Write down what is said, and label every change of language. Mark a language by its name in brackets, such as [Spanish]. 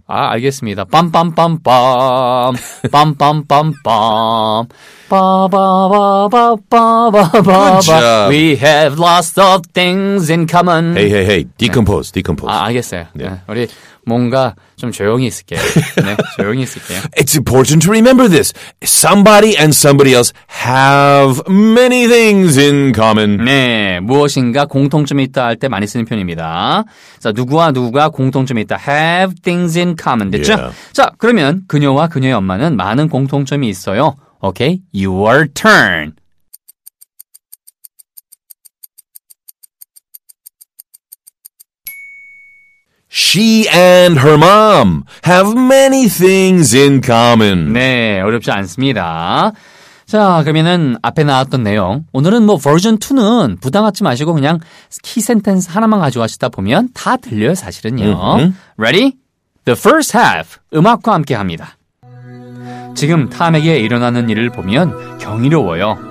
[Korean] Ah, 알겠습니다. Bum, bum, bum, bum. Bum, bum, bum, bum. Ba, ba, ba, ba, ba, ba, ba. [English] Good job. We have lots of things in common. Hey, hey, hey. Decompose, 네. decompose. [Korean] Ah, 알겠어요. Yeah. 네. 우리 뭔가 좀 조용히 있을게요. 네, 조용히 있을게요. [English] It's important to remember this. Somebody and somebody else have many things in common. [Korean] 네, 무엇인가 공통점이 있다 할 때 많이 쓰는 표현입니다. 자, 누구와 누구가 공통점이 있다. [English] Have things in common. [Korean] 됐죠? [English] Yeah. [Korean] 자, 그러면 그녀와 그녀의 엄마는 많은 공통점이 있어요. [English] Okay, your turn. She and her mom have many things in common. [Korean] 네, 어렵지 않습니다. 자, 그러면은 앞에 나왔던 내용. 오늘은 뭐 version 2는 부담하지 마시고 그냥 key sentence 하나만 가져가시다 보면 다 들려요, 사실은요. Mm-hmm. [English] Ready? The first half. [Korean] 음악과 함께 합니다. 지금 탐에게 일어나는 일을 보면 경이로워요.